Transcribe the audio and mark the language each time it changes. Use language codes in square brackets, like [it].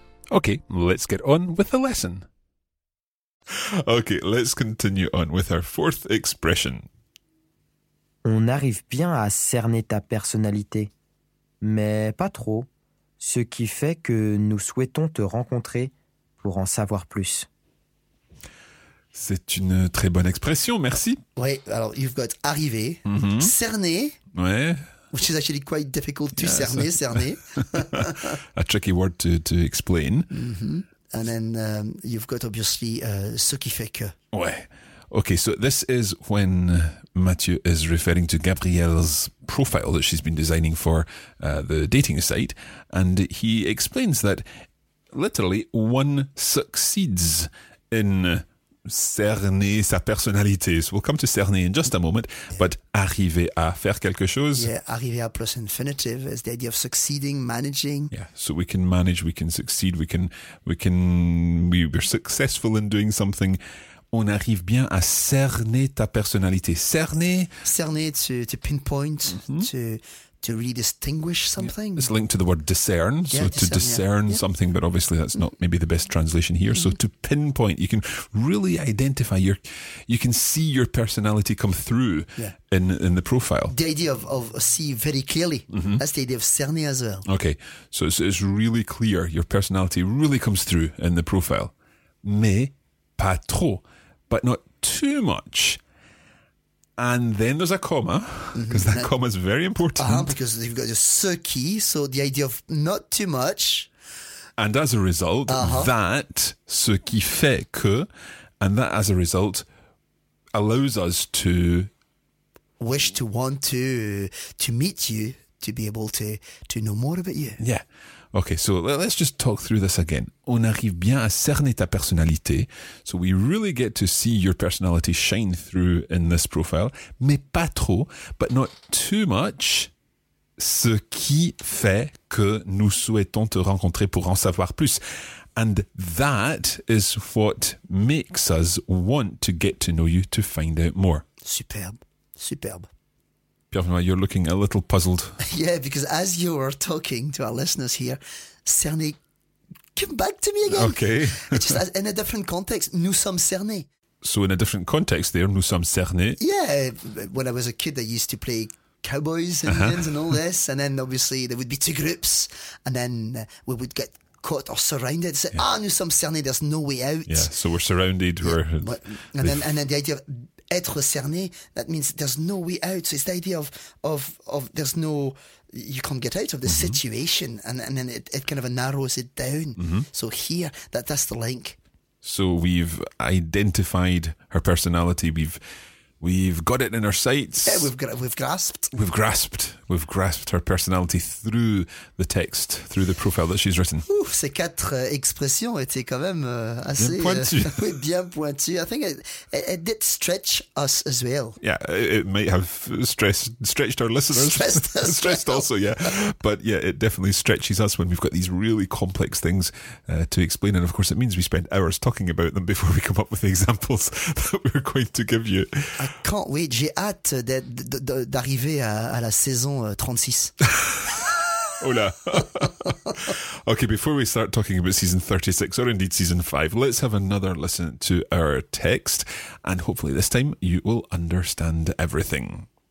[en] Okay, let's get on with the lesson. Okay, let's continue on with our fourth expression. [fr] On arrive bien à cerner ta personnalité, mais pas trop. Ce qui fait que nous souhaitons te rencontrer pour en savoir plus. C'est une très bonne expression, merci. Oui, alors, [en] you've got arrivé, mm-hmm. [fr] cerné, ouais. [en] which is actually quite difficult to cerné. A tricky word to explain. Mm-hmm. And then you've got obviously [fr] ce qui fait que. Ouais. [en] Okay, so this is when Mathieu is referring to Gabrielle's profile that she's been designing for the dating site. And he explains that literally one succeeds in [fr] cerner sa personnalité. [en] So we'll come to cerner in just a moment. Yeah. [fr] But arriver à faire quelque chose. [en] Yeah, arriver à plus infinitive is the idea of succeeding, managing. Yeah, so we can manage, we can succeed, we're successful in doing something. [fr] On arrive bien à cerner ta personnalité. Cerner. [en] Cerner, to pinpoint, mm-hmm. to really distinguish something. Yeah. It's linked to the word discern, yeah, so discern, to discern yeah. something, but obviously that's not maybe the best translation here. Mm-hmm. So to pinpoint, you can really identify your, you can see your personality come through yeah. in the profile. The idea of see very clearly, mm-hmm. that's the idea of cerner as well. Okay, so it's really clear, your personality really comes through in the profile. Mais. [fr] Pas trop, [en] but not too much. And then there's a comma, because that comma is very important. Because you've got your ce qui, so the idea of not too much. And as a result, that, [fr] ce qui fait que, [en] and that as a result allows us to... Wish to want to meet you, to be able to know more about you. Yeah. Okay, so let's just talk through this again. [fr] On arrive bien à cerner ta personnalité. [en] So we really get to see your personality shine through in this profile. [fr] Mais pas trop, [en] but not too much. [fr] Ce qui fait que nous souhaitons te rencontrer pour en savoir plus. [en] And that is what makes us want to get to know you to find out more. [fr] Superbe. Superbe. [en] Pierre-Benoît, you're looking a little puzzled. Yeah, because as you are talking to our listeners here, cerner, come back to me again. Okay. Just in a different context, [fr] nous sommes cernés. [en] So in a different context there, [fr] nous sommes cernés. [en] Yeah, when I was a kid, I used to play cowboys, Indians and all this. And then obviously there would be two groups and then we would get caught or surrounded. Say, yeah. [fr] Ah, nous sommes cernés, [en] there's no way out. Yeah, so we're surrounded. Yeah. And then the idea of [fr] être cerné, [en] that means there's no way out. So it's the idea of there's no, you can't get out of the situation. And then it kind of narrows it down. Mm-hmm. So here, that's the link. So we've identified her personality. We've got it in our sights. Yeah, we've grasped. We've grasped. We've grasped her personality through the text, through the profile that she's written. [fr] Ouf, ces quatre expressions étaient quand même assez... Bien pointues. Bien pointues. [en] I think it did stretch us as well. Yeah, it might have stretched our listeners. Stressed us. Stressed also, yeah. But yeah, it definitely stretches us when we've got these really complex things to explain. And of course, it means we spend hours talking about them before we come up with the examples that we're going to give you. I can't wait. [fr] J'ai hâte d'arriver à la saison 36. [es] Hola. [en] Okay, before we start talking about season 36 or indeed season 5, let's have another listen to our text and hopefully this time you will understand everything.